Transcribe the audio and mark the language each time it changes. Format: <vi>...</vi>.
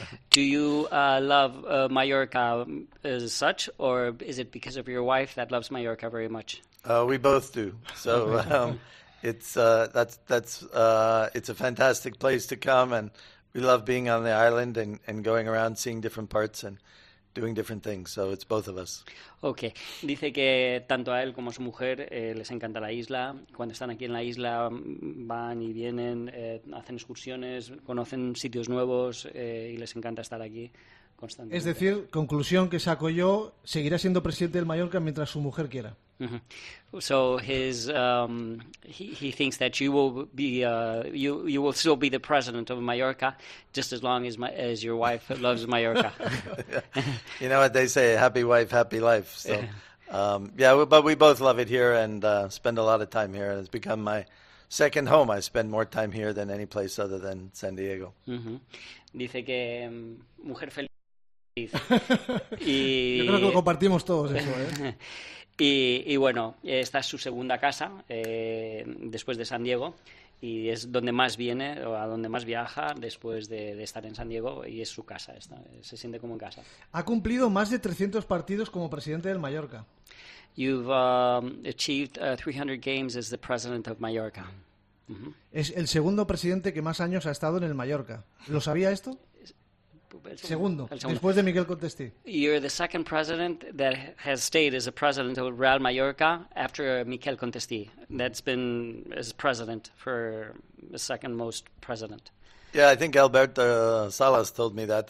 <en>do you love Mallorca as such, or is it because of your wife that loves Mallorca very much? We both do. So it's a fantastic place to come, and we love being on the island and going around seeing different parts and doing different things, so it's both of us. Okay.</en> <es>Dice que tanto a él como a su mujer les encanta la isla. Cuando están aquí en la isla van y vienen, hacen excursiones, conocen sitios nuevos y les encanta estar aquí constantemente. Es decir, conclusión que saco yo, seguirá siendo presidente del Mallorca mientras su mujer quiera. Mm-hmm.</es> <en>So his he thinks that you will be you will still be the president of Mallorca just as long as your wife loves Mallorca. Yeah. You know what they say, happy wife, happy life. So but we both love it here and spend a lot of time here. It's become my second home. I spend more time here than any place other than San Diego.</en> <es>Mm-hmm. Dice que mujer feliz. Yo creo que lo compartimos todos eso, ¿eh? Y bueno, esta es su segunda casa, después de San Diego, y es donde más viene o a donde más viaja después de estar en San Diego, y es su casa, esta, se siente como en casa. Ha cumplido más de 300 partidos como presidente del Mallorca.</es> <en>You've achieved 300 games as the president of Mallorca. Uh-huh.</en> <es>Es el segundo presidente que más años ha estado en el Mallorca. ¿Lo sabía esto? El segundo. Después de Miguel Contestí.</es> <en>You're the second president that has stayed as the president of Real Mallorca after Miguel Contestí. That's been as president for the second most president. Yeah, I think Albert Salas told me that.</en>